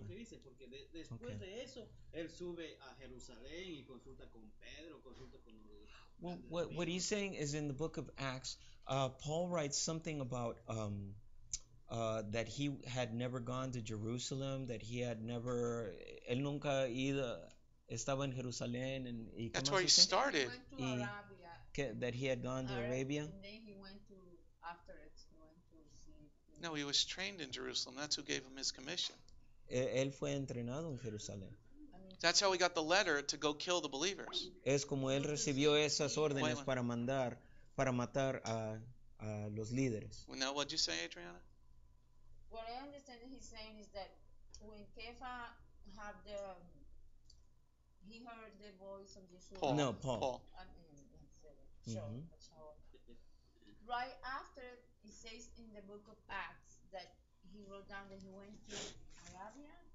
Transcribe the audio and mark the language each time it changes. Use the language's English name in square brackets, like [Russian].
[Spanish] Eso es lo que dice, porque después de eso, él sube a Jerusalén y consulta con Pedro, consulta con los. [English] What he's saying is in the book of Acts, Paul writes something about that he had never gone to Jerusalem, that he had never, [Spanish] él nunca ido. Estaba en Jerusalén and [English] that's where he started. He went to Arabia. That he had gone to Arabia. And then he went to see. No, he was trained in Jerusalem. That's who gave him his commission. [Spanish] Él fue entrenado en Jerusalén. [English] That's how he got the letter to go kill the believers. [Spanish] Es como él recibió esas órdenes para mandar, para matar a los líderes. [English] Well, now, what'd you say, Adriana? What I understand he's saying is that when Kefa had the he heard the voice of Yeshua. Paul. Right after, it says in the book of Acts that he wrote down that he went to Arabia.